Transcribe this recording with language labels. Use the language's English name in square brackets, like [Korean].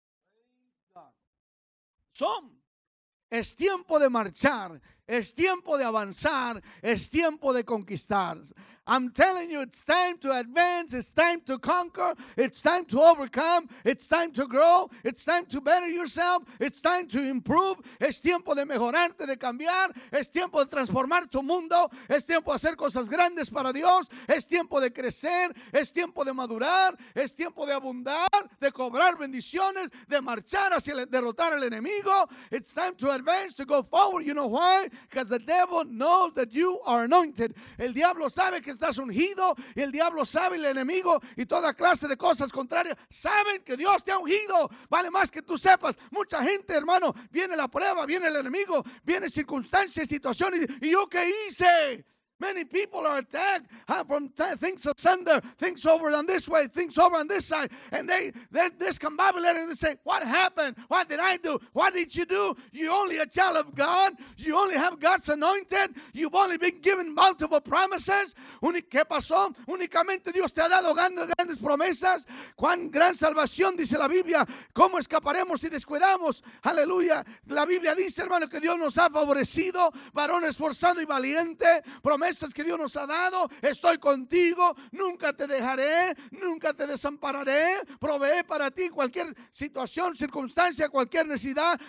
[Spanish] Oh, gloria a Dios. Es tiempo de marchar. Es tiempo de avanzar. Es tiempo de conquistar. [English] I'm telling you, it's time to advance. It's time to conquer. It's time to overcome. It's time to grow. It's time to better yourself. It's time to improve. [Spanish] Es tiempo de mejorarte, de cambiar. Es tiempo de transformar tu mundo. Es tiempo de hacer cosas grandes para Dios. Es tiempo de crecer. Es tiempo de madurar. Es tiempo de abundar, de cobrar bendiciones, de marchar hacia derrotar al enemigo. [English] It's time to advance, to go forward. You know why? Because the devil knows that you are anointed. [Spanish] El diablo sabe que estás ungido, y el diablo sabe, el enemigo y toda clase de cosas contrarias saben que Dios te ha ungido. Vale más que tú sepas. Mucha gente, hermano, viene la prueba, viene el enemigo, viene circunstancias, situaciones, y yo qué hice. [English] Many people are attacked from things asunder, things over on this way, things over on this side, and they're discombobulated, and they say, what happened? What did I do? What did you do? You're only a child of God. You only have God's anointed. You've only been given multiple promises. [Spanish] ¿Qué pasó? Únicamente Dios te ha dado grandes promesas. ¿Cuán gran salvación, dice la Biblia? ¿Cómo escaparemos si descuidamos? Aleluya. La Biblia dice, hermano, que Dios nos ha favorecido, varón esforzado y valiente, promesas que Dios nos ha dado. Estoy contigo, nunca te dejaré, nunca te desampararé, proveeré para ti cualquier situación, circunstancia, cualquier necesidad.